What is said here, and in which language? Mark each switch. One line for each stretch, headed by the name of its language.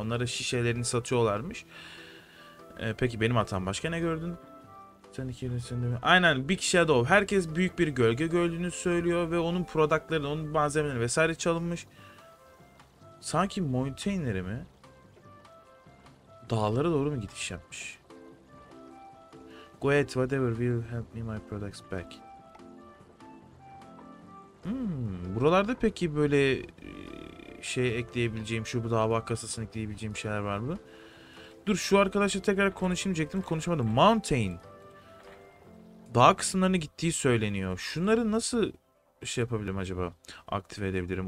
Turkish: Onlara şişelerini satıyorlarmış. Peki benim hatam başka ne gördün? Sen ikilisin değil mi? Aynen, Big Shadow. Herkes büyük bir gölge gördüğünü söylüyor ve onun productları, onun malzemeleri vesaire çalınmış. Sanki mountainleri mi? Dağlara doğru mu gidiş yapmış?
English: Go ahead, whatever will help me my products back.
Turkish: Buralarda peki böyle şey ekleyebileceğim, şu bu dava kasasını ekleyebileceğim şeyler var mı? Dur, şu arkadaşla tekrar konuşayım diyecektim, konuşamadım. Mountain. Dağ kısımlarına gittiği söyleniyor. Şunları nasıl şey yapabilirim acaba? Aktive edebilirim.